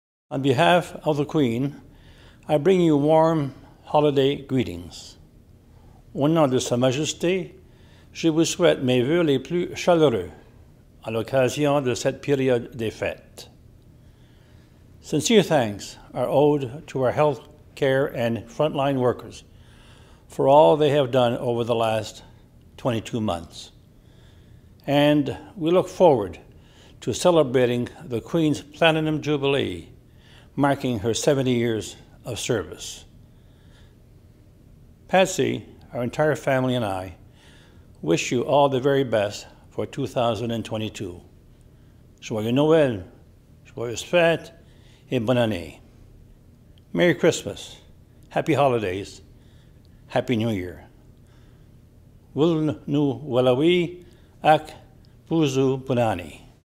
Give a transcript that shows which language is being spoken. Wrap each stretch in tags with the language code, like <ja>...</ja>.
<en>On behalf of the Queen, I bring you warm holiday greetings.</en> <fr>Au nom de Sa Majesté, je vous souhaite mes vœux les plus chaleureux à l'occasion de cette période des fêtes.</fr> <en>Sincere thanks are owed to our health care and frontline workers for all they have done over the last 22 months. And we look forward to celebrating the Queen's Platinum Jubilee, marking her 70 years of service. Patsy, our entire family and I, wish you all the very best for 2022.</en> <fr>Joyeux Noël, joyeuses fêtes, et bonne année.</fr> <en>Merry Christmas, happy holidays, happy New Year. Vous nous voulez, ac, vous bonne année.</en>